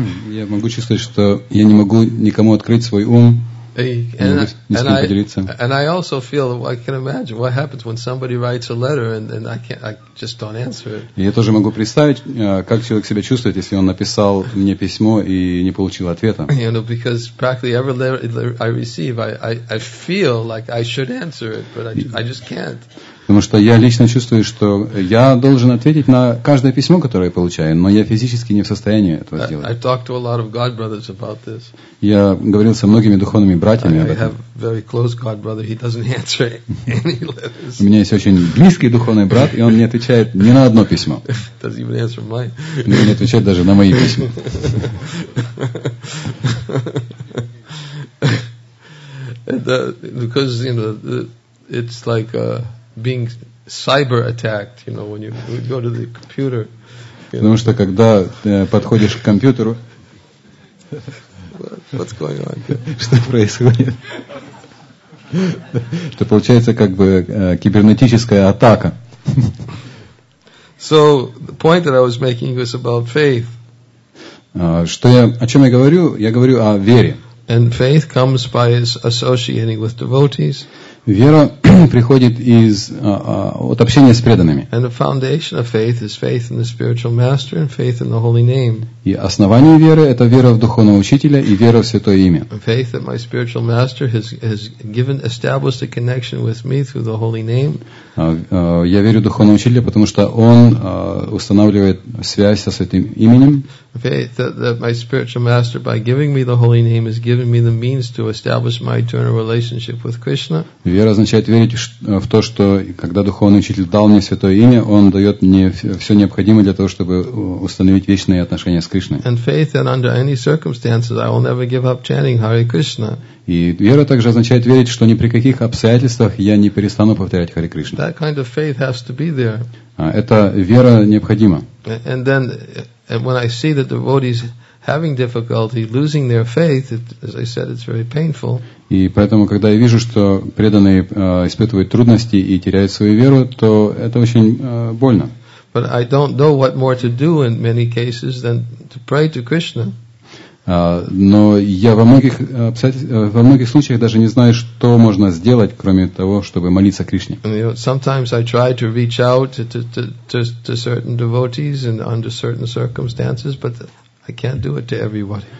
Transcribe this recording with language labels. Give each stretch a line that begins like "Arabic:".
Russian: я могу чувствовать, что я не могу никому открыть свой ум, не могу с ним поделиться.
English: And I also feel, I can imagine what happens when somebody writes a letter and I just don't answer it.
Russian: Я тоже могу представить, как человек себя чувствует, если он написал мне письмо и не получил ответа.
English: You know, because practically every letter I receive, I feel like I should answer it, but I just can't.
Russian: Потому что я лично чувствую, что я должен ответить на каждое письмо, которое я получаю, но я физически не в состоянии этого сделать.
English: I've talked to a lot of God brothers about this.
Russian: Я говорил со многими духовными братьями об этом.
English: I have a very close God brother. He doesn't answer any letters.
Russian: У меня есть очень близкий духовный брат, и он не отвечает ни на одно письмо.
English: Doesn't even answer mine.
Russian: Он не отвечает даже на мои письма.
English: Because, you know, it's like being cyber attacked, you know, when you go to the computer.
Russian: Потому
English: know.
Russian: Что когда подходишь к компьютеру.
English: What's going on?
Russian: Что происходит? Это получается как бы кибернетическая атака.
English: So the point that I was making was about faith.
Russian: Я говорю о вере.
English: And faith comes by associating with devotees.
Russian: Вера приходит из от общения с преданными.
English: And the foundation of faith is faith in the spiritual master and faith in the holy name.
Russian: И основание веры это вера в духовного учителя и вера в святое имя.
English: Faith that my spiritual master has given established a connection with me through the holy name.
Russian: Я верю в духовного учителя, потому что он устанавливает связь со святым именем.
English: Faith that my spiritual master by giving me the holy name has given me the means to establish my eternal relationship with Krishna.
Russian: Вера означает верить в то, что когда духовный учитель дал мне святое имя, он дает мне все необходимое для того, чтобы установить вечные отношения с Кришной.
English: And faith that under any circumstances I will never give up chanting Hare Krishna.
Russian: И вера также означает верить, что ни при каких обстоятельствах я не перестану повторять Харе Кришна.
English: That kind of faith has to be there.
Russian: Эта вера необходима.
English: And then and when I see that devotees having difficulty losing their faith, as I said, it's very painful.
Russian: И поэтому, когда я вижу, что преданные испытывают трудности и теряют свою веру, то это очень больно.
English: But I don't know what more to do in many cases than to pray to Krishna.
Russian: Но я во многих случаях даже не знаю, что можно сделать, кроме того, чтобы молиться Кришне.
English: And, you know, sometimes I try to reach out to certain devotees and under certain circumstances, but I can't do it to everybody.